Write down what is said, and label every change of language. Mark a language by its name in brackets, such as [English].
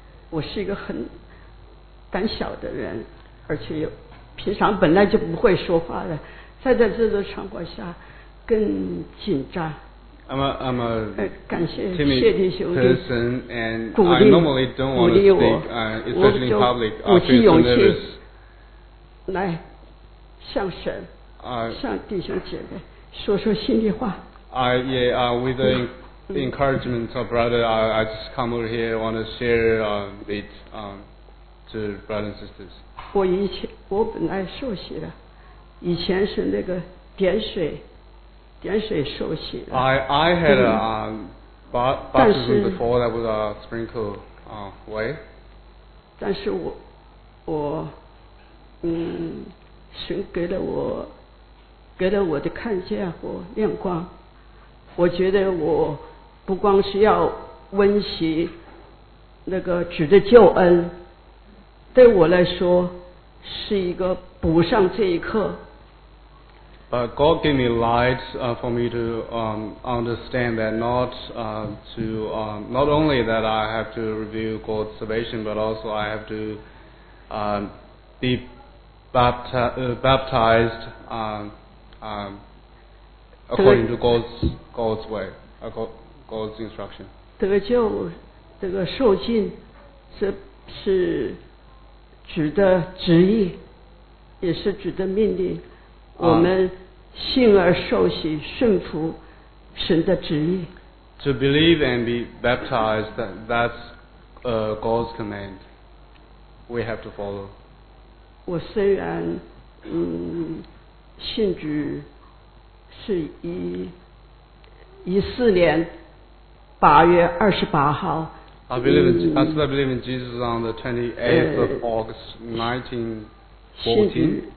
[Chinese] 我是一个很胆小的人，而且有平常本来就不会说话的，在这种场合下更紧张。 [English] I'm a [Chinese] 感谢谢弟兄的鼓励， [English] and I normally don't want to speak, especially in public. [Chinese] 我就鼓起勇气来向神。向弟兄姐妹说说心里话。 [English] With the encouragement of brother, I just come over here want to share it to brothers and sisters. [Chinese] 我本来受洗的，以前是那个点水受洗的。 [English] I had a baptism before that was a sprinkle way. [Chinese] 但是我神给了我。给了我的看见和亮光，我觉得我不光是要温习那个主的救恩，对我来说是一个补上这一课。 [English] But God gave me light for me to understand that not only that I have to review God's salvation, but also I have to be baptized. According to God's way, God's instruction. [Chinese] 得救，这个受浸，这是主的旨意，也是主的命令。我们信而受洗，顺服神的旨意。 [English] To believe and be baptized, that's God's command. We have to follow. [Chinese] 我虽然信主是一四年八月二十八号 [English] I believe in Jesus on the 28th of August 1914.